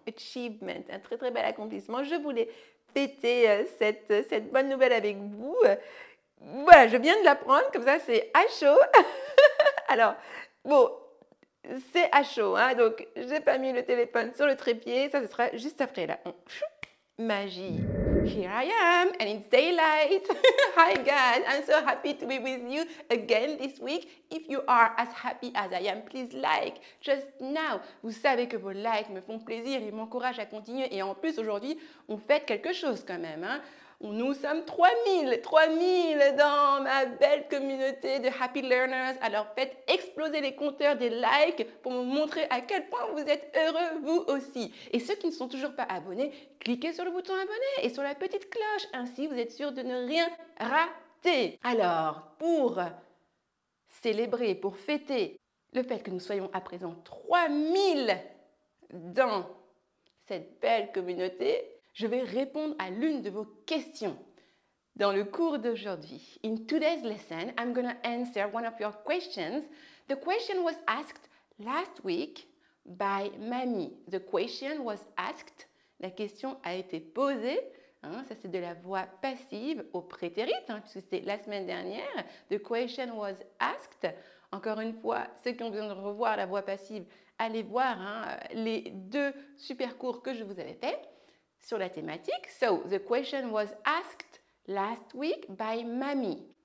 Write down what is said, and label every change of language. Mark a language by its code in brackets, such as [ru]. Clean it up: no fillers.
[fr] Achievement, un très très bel accomplissement. Je voulais fêter cette bonne nouvelle avec vous. Voilà, je viens de l'apprendre, comme ça c'est à chaud. Alors, bon, c'est à chaud, hein, donc je n'ai pas mis le téléphone sur le trépied, ça ce sera juste après là. [en] Magie. Here I am, and it's daylight. Hi guys, I'm so happy to be with you again this week. If you are as happy as I am, please like just now. [fr] Vous savez que vos likes me font plaisir et m'encouragent à continuer. Et en plus, aujourd'hui, on fête quelque chose quand même, hein. Nous sommes 3000 dans ma belle communauté de Happy Learners. Alors faites exploser les compteurs des likes pour me montrer à quel point vous êtes heureux vous aussi. Et ceux qui ne sont toujours pas abonnés, cliquez sur le bouton abonné et sur la petite cloche. Ainsi, vous êtes sûr de ne rien rater. Alors, pour célébrer, pour fêter le fait que nous soyons à présent 3000 dans cette belle communauté, je vais répondre à l'une de vos questions dans le cours d'aujourd'hui. [en] In today's lesson, I'm going to answer one of your questions. The question was asked last week by Mami. The question was asked. [fr] La question a été posée. Hein, ça, c'est de la voix passive au prétérit, hein, puisque c'était la semaine dernière. [en] The question was asked. [fr] Encore une fois, ceux qui ont besoin de revoir la voix passive, allez voir hein, les deux super cours que je vous avais faits sur la thématique. [en] So, the question was asked last week by Mami.